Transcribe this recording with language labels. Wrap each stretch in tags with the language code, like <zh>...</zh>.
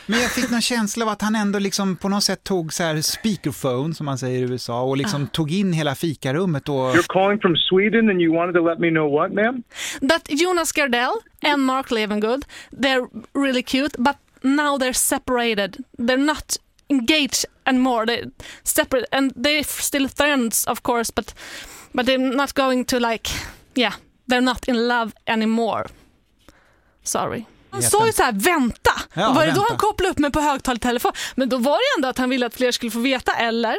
<sv>Men jag fick någon känsla av att han ändå liksom på något sätt tog så här speakerphone, som man säger i USA, och liksom tog in hela fikarummet. Och...</sv> <en>You're calling from Sweden and you wanted to let me know what, ma'am? That Jonas Gardell and Mark Levengood, they're really cute, but now they're separated. They're not... engage and more. They separate and they're still friends, of course, but they're not going to like, yeah, they're not in love anymore.</en> <sv>Sorry. Han sa ju så här, vänta. Ja, var det vänta. Då han kopplade upp mig på högtalartelefon? Men då var det ändå att han ville att fler skulle få veta, eller?</sv>